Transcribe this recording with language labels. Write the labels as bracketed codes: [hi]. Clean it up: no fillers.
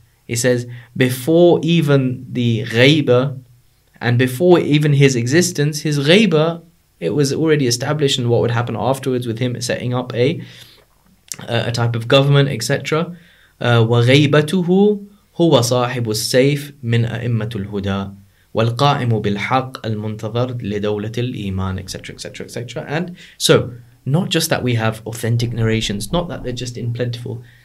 [en] He says, before even the ghaiba, and before even his existence, his ghaiba, it was already established, and what would happen afterwards with him setting up a type of government, etc. [ar] وَغَيْبَتُهُ هُوَ صَاحِبُ السَّيْفِ مِنْ أَئِمَّةُ الْهُدَىٰ والقائم بالحق المنتظر لدولة الإيمان, [en] etc., etc., etc. And so, not just that we have authentic narrations, not that they're just in plentiful.